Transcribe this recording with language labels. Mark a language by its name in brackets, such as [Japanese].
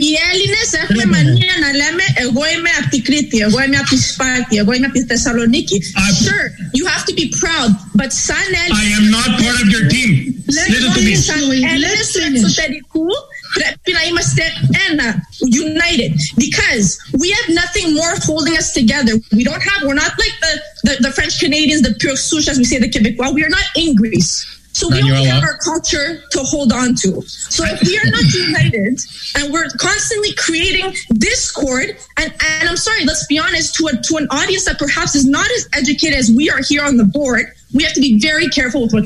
[Greek] Οι Έλληνες έχουμε μανία να λέμε εγώ είμαι από την Κρήτη, εγώ είμαι από τη Σπάρτη, εγώ είμαι από τη Θεσσαλονίκη. [English] Sure, you have to be proud, but [Greek] σαν Έλληνες... [English] I am not part of your team. Listen to me. [Greek] Σαν Έλληνες του εξωτερικού πρέπει να είμαστε ένα, [English] united, because we have nothing more holding us together. We don't have, we're not like the French Canadians, the pure souche, as we say, the Quebecois. We are not in Greece. So we only have our culture to hold on to. So if we are not united and we're constantly creating discord, and I'm sorry, let's be honest, to an audience that perhaps is not as educated as we are here on the board, we have to be very careful with what